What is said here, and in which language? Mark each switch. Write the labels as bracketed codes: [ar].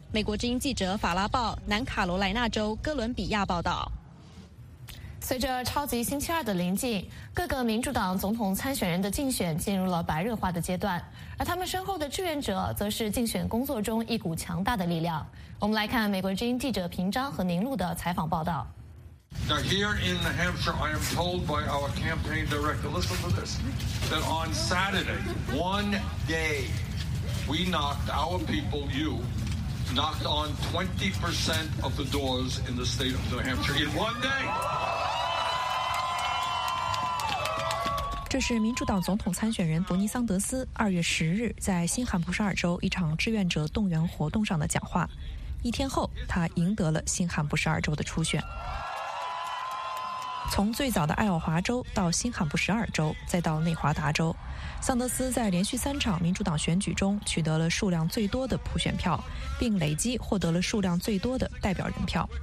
[zh] 美国之音记者法拉报南卡罗来纳州哥伦比亚报道。随着超级星期二的临近，各个民主党总统参选人的竞选进入了白热化的阶段，而他们身后的志愿者则是竞选工作中一股强大的力量。我们来看美国之音记者平章和宁路的采访报道。 [en] Now here in New Hampshire, I am told by our campaign director, listen to this, that on Saturday, one day, we knocked our people, you, knocked on 20% of the doors in the state of New Hampshire in one day. [zh] 这是民主党总统参选人伯尼桑德斯2月10日在新罕布什尔州一场志愿者动员活动上的讲话。一天后，他赢得了新罕布什尔州的初选。从最早的爱奥华州到新罕布什尔州，再到内华达州，桑德斯在连续三场民主党选举中取得了数量最多的普选票，并累积获得了数量最多的代表人票。